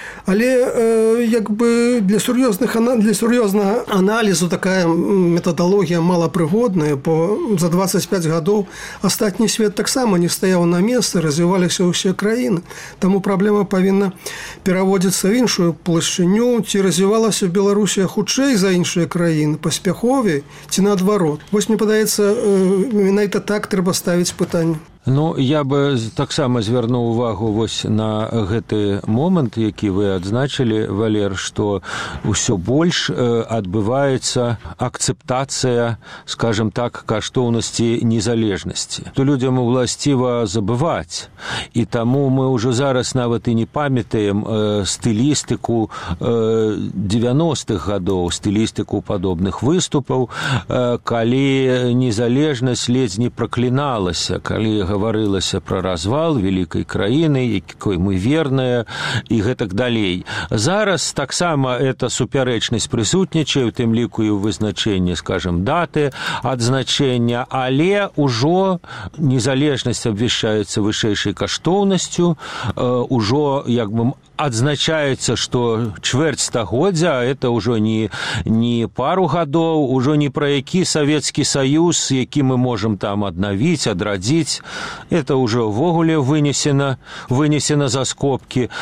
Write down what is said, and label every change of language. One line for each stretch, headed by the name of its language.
Belarusian: Але якбы для сур'ёзнага аналізу такая метадалогія малапрыгодная, бо за 25 гадоў астатні свет таксама не стаяў на месцы, развіваліся ўсе краіны. Таму праблема павінна пераводзіцца ў іншую плашчыню, ці развівалася Беларусь хутчэй за іншыя краіны, паспяховей, ці наадварот. Вось мне падаецца, менавіта так трэба ставіць пытанне.
Ukrainian: Ну,
Belarusian: я бы таксама
Ukrainian: звернув увагу вось на гэты момент, який ви адзначили, Валер, що усе більш відбувається акцептація, скажем так, каштовності незалежності. То людям властиво забувати. І тому ми вже зараз навіть і не пам'ятаємо стилістику 90-х годів, стилістику подобних виступів, коли незалежність ледь не проклиналася, коли
Belarusian: гаварылася пра развал вялікай краіны, якой мы верныя і гэтак далей. Зараз таксама эта супярэчнасць прысутнічае, у тым ліку і ў вызначэнні, скажам, даты адзначэння, але ўжо незалежнасць абвяшчаецца вышэйшай каштоўнасцю, ўжо як бы адзначаецца, што чвэрць стагоддзя, это ўжо не пару гадоў, ўжо не пра які Савецкі Саюз, які мы можам там аднавіць, адрадзіць, это ўжо ўвогуле вынесена за скобкі.